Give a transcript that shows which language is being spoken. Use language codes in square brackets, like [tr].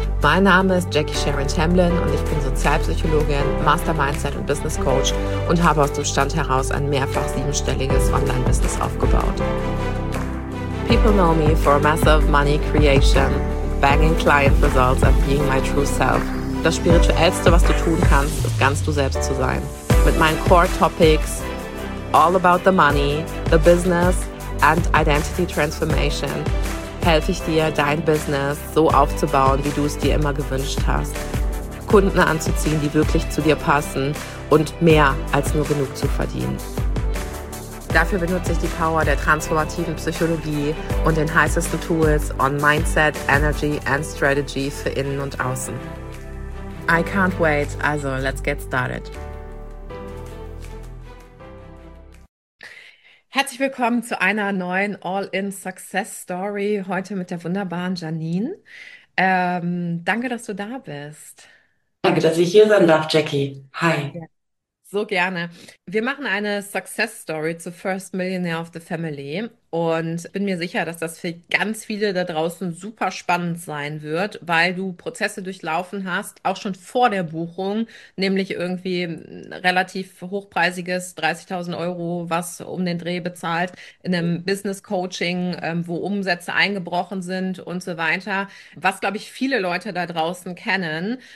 [de] Mein Name ist Jackie Sharon Tamblyn und ich bin Sozialpsychologin, Master Mindset und Business Coach und habe aus dem Stand heraus ein mehrfach siebenstelliges Online-Business aufgebaut. [en] People know me for massive money creation, banging client results and being my true self. [de] Das Spirituellste, was du tun kannst, ist ganz du selbst zu sein. Mit meinen Core Topics, [en] all about the money, the business and identity transformation, [de] helfe ich dir, dein Business so aufzubauen, wie du es dir immer gewünscht hast. Kunden anzuziehen, die wirklich zu dir passen und mehr als nur genug zu verdienen. Dafür benutze ich die Power der transformativen Psychologie und den heißesten Tools [en] on Mindset, Energy and Strategy [de] für Innen und Außen. [en] I can't wait, also let's get started. [de] Herzlich willkommen zu einer neuen All-in-Success-Story, heute mit der wunderbaren Janine. Danke, dass du da bist. Danke, dass ich hier sein darf, Jackie. Hi. So gerne. Wir machen eine Success-Story zu First Millionaire of the Family und bin mir sicher, dass das für ganz viele da draußen super spannend sein wird, weil du Prozesse durchlaufen hast, auch schon vor der Buchung, nämlich irgendwie ein relativ hochpreisiges 30.000 Euro, was um den Dreh bezahlt, in einem Business-Coaching, wo Umsätze eingebrochen sind und so weiter, was, glaube ich, viele Leute da draußen kennen.